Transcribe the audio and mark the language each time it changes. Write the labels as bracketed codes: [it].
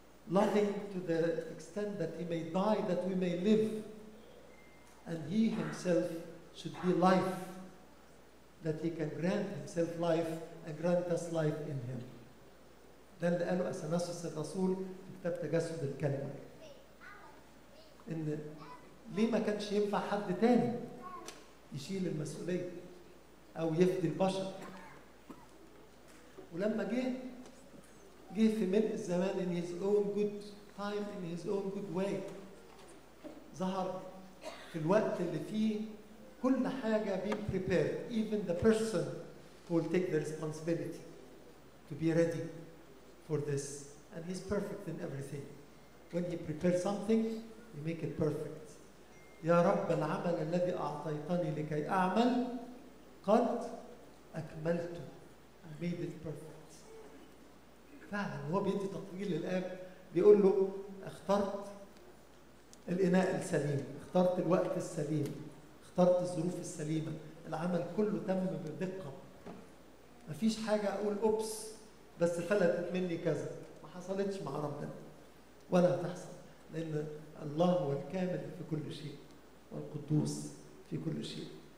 [en] loving to the extent that he may die that we may live, and he himself should be life, that he can grant himself life and grant us life in him. [ar] ده اللي قاله أثناسيوس الرسول في كتاب تجسد الكلمة. إن ليه ما كانش ينفع حد تاني يشيل المسؤولية أو يفدي البشر؟ ولما جه في ملء الزمان [en] in his own good time in his own good way [ar] ظهر في الوقت اللي فيه كل حاجة [en] be prepared even the person who will take the responsibility to be ready for this and he's perfect in everything. When he prepares something he make it perfect. [ar] يا رب العمل الذي أعطيتني لكي أعمل قد أكملته. [en] I made it perfect. [ar] فعلا هو بيدي تطويل للآب بيقول له اخترت الإناء السليم اخترت الوقت السليم اخترت الظروف السليمة العمل كله تم بدقة مفيش حاجة أقول أوبس بس فلتت مني كذا ما حصلتش مع ربنا ولا تحصل لأن الله هو الكامل في كل شيء والقدوس في كل شيء.